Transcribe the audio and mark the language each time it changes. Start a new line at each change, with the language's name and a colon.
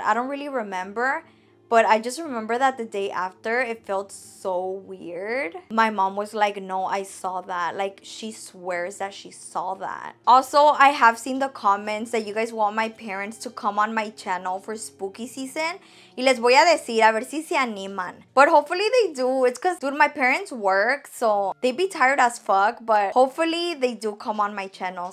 English: I don't really remember, but I just remember that the day after, it felt so weird. My mom was like, no, I saw that. Like, she swears that she saw that. Also, I have seen the comments that you guys want my parents to come on my channel for spooky season.
Spanish: Y les voy a decir, a ver si se animan.
English: But hopefully they do. It's because, dude, my parents work, so they be tired as fuck. But hopefully they do come on my channel.